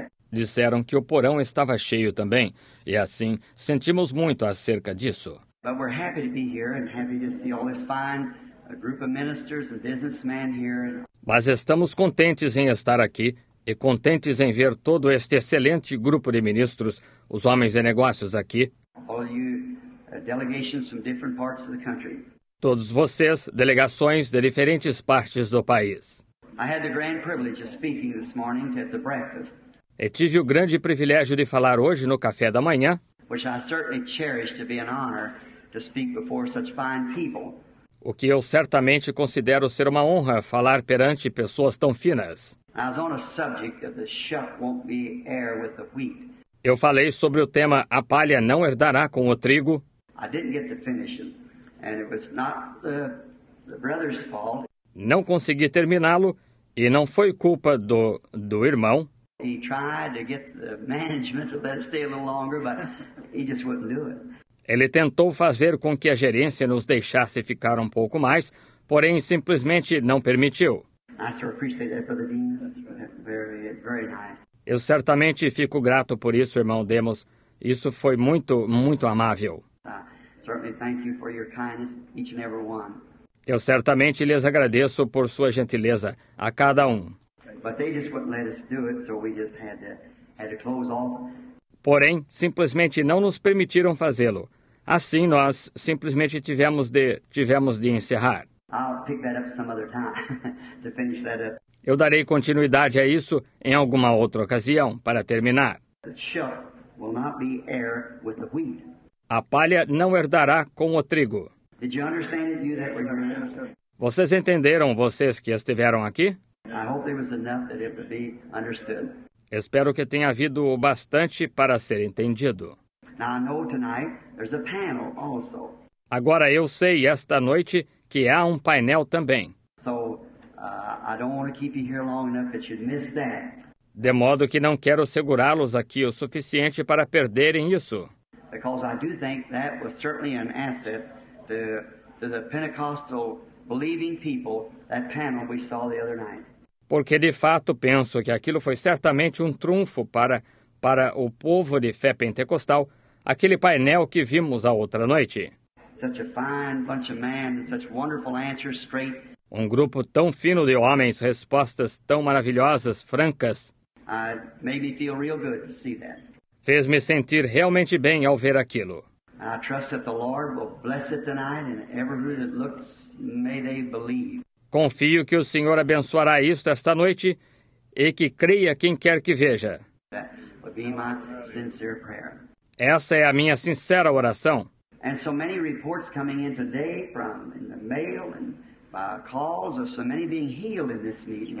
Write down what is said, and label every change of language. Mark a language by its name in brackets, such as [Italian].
[Portuguese] Disseram que o porão estava cheio também, e assim, sentimos muito acerca disso. [English] But we're happy to be here and happy to see all this fine group of ministers and businessmen here. [Portuguese] Mas estamos contentes em estar aqui e contentes em ver todo este excelente grupo de ministros, os homens de negócios aqui. [English] All you delegations from different parts of the country. [Portuguese] Todos vocês, delegações de diferentes partes do país. [English] I had the grand privilege of speaking this morning at the breakfast. [Portuguese] E tive o grande privilégio de falar hoje no café da manhã. [English] Which I certainly cherish to be an honor to speak before such fine people. [Portuguese] O que eu certamente considero ser uma honra falar perante pessoas tão finas. [English] I was on a subject of the sheaf won't be heir with the wheat. [Portuguese] Eu falei sobre o tema a palha não herdará com o trigo. [English] I didn't get to finish it, and it was not the brother's fault. [Portuguese] Não consegui terminá-lo e não foi culpa do irmão. [English] He tried to get the management to let us stay a little longer, but he just wouldn't do it. [Portuguese] Ele tentou fazer com que a gerência nos deixasse ficar um pouco mais, porém simplesmente não permitiu. [English] I sure appreciate that, Brother Dean. That's very, very nice. [Portuguese] Eu certamente fico grato por isso, irmão Demos. Isso foi muito, muito amável. [English] Certainly thank you for your kindness, each and every one. [Portuguese] Eu certamente lhes agradeço por sua gentileza a cada um. [English] But they just wouldn't let us do it, so we just had to close off. [Portuguese] Porém, simplesmente não nos permitiram fazê-lo. Assim, nós simplesmente tivemos de encerrar. [English] I'll pick that up some other time to finish that up. [Portuguese] Eu darei continuidade a isso em alguma outra ocasião para terminar. [English] The sheaf will not be heir with the wheat. [Portuguese] A palha não herdará com o trigo. [English] Did you understand it, you that were here? [Portuguese] Vocês entenderam, vocês que estiveram aqui? [English] I hope there was enough that it would be understood. [Portuguese] Espero que tenha havido o bastante para ser entendido. [English] Now I know tonight there's a panel also. [Portuguese] Agora eu sei esta noite que há um painel também. [English] So, I don't want to keep you here long enough that you'd miss that. [Portuguese] De modo que não quero segurá-los aqui o suficiente para perderem isso. [English] Because I do think that was certainly an asset to the Pentecostal believing people, that panel we saw the other night. [Portuguese] Porque de fato penso que aquilo foi certamente um trunfo para o povo de fé pentecostal, aquele painel que vimos a outra noite. [English] Such a fine bunch of men, such wonderful answers straight. [Portuguese] Um grupo tão fino de homens, respostas tão maravilhosas, francas. [English] Made me feel real good to see that. [Portuguese] Fez-me sentir realmente bem ao ver aquilo. [English] I trust that the Lord will bless it tonight, and everyone that looks, may they believe. [Portuguese] Confio que o Senhor abençoará isto esta noite e que creia quem quer que veja. [English] That would be my sincere prayer. [Portuguese] Essa é a minha sincera oração. [English] And so many reports coming in today from in the mail and by calls of so many being healed in this meeting.